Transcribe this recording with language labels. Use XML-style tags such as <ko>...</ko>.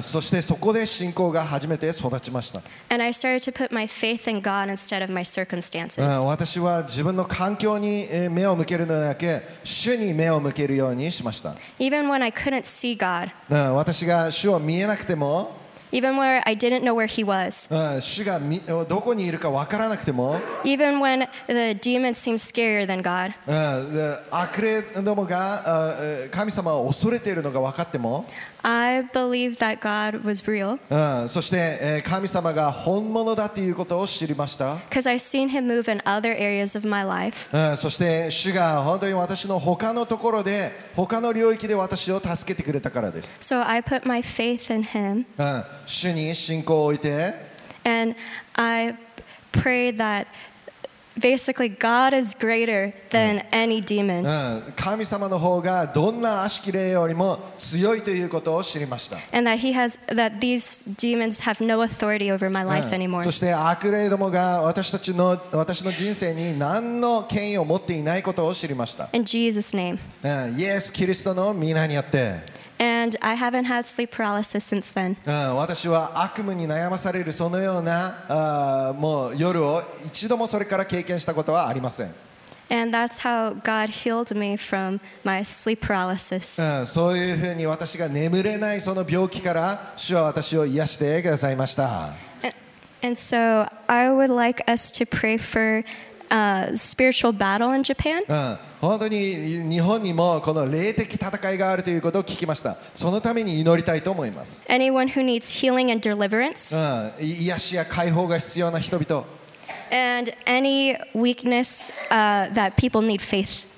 <ja>そしてそこで信仰が初めて育ちました。</ja> <en>And I started to put my faith in God instead of my circumstances.</en> <ja>私は自分の環境に目を向けるのではなく、主に目を向けるようにしました。</ja> <en>Even when I couldn't see God.</en> <ja>私が主を見えなくても、</ja> <en>Even where I didn't know where he was.</en> <ja>主がどこにいるかわからなくても</ja> <en>Even when the demons seemed scarier than God.</en> <ja>悪霊どもが神様を恐れているのがわかっても</ja> <en>I believed that God was real.</en> <ja>そして神様が本物だということを知りました</ja> <en>Because I've seen him move in other areas of my life.</en> <ja>そして主が本当に私の他のところで他の領域で私を助けてくれたからです</ja> <en>So I put my faith in him.</en> <ja>主に信仰を置いて</ja> <en>And I prayed that basically God is greater than any demon.</en> <ja>神様の方がどんな悪しき霊よりも強いということを知りました</ja> <en>And that, he has, that these demons have no authority over my life anymore.</en> <ja>そして悪霊どもが私の人生に何の権威を持っていないことを知りました</ja> <en>In Jesus' name.</en> <ja>イエス・キリストの御名によって</ja> <en>And I haven't had sleep paralysis since then.</en> <ja>私は悪夢に悩まされるそのようなもう夜を一度もそれから経験したことはありません。</ja> <en>And that's how God healed me from my sleep paralysis.</en> <ja>そういうふうに私が眠れないその病気から主は私を癒してくださいました。</ja> <en>And so I would like us to pray for spiritual battle in Japan.</en> <ja>本当に日本にもこの霊的戦いがあるということを聞きました。そのために祈りたいと思います。</ja> <en>Anyone who needs healing and deliverance.</en> <ja>癒しや解放が必要な人々。</ja> <en>And any weakness that people need faith.</en>